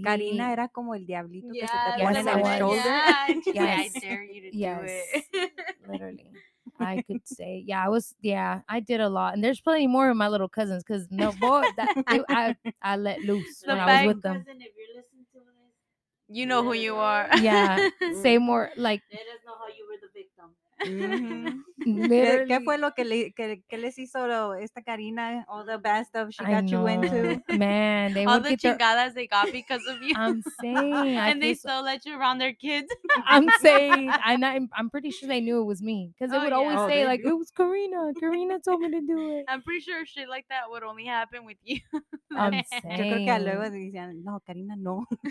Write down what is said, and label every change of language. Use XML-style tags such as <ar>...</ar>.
<es>Karina era como el diablito que se te pone en la shoulder.</es> <en>Yeah, yes. I dare you to yes. do it. Literally. I could say, I did a lot. And there's plenty more of my little cousins because no boy, I let loose the when I was with them. Cousin, if you're listening to me, you know who you are. Yeah. Say more like. They didn't know how you were the victim. Mm-hmm.</en> <es>¿Qué fue lo que les hizo esta Karina?</es> <en>All the bad stuff she got you into. Man, they all the chingadas they got because of you. I'm saying, and they still let you around their kids. I'm saying, I'm pretty sure they knew it was me because they would always say like, it was Karina. Karina told me to do it. I'm pretty sure shit like that would only happen with you. I'm saying.</en> <es>Yo creo que luego decían, no, Karina, no.</es>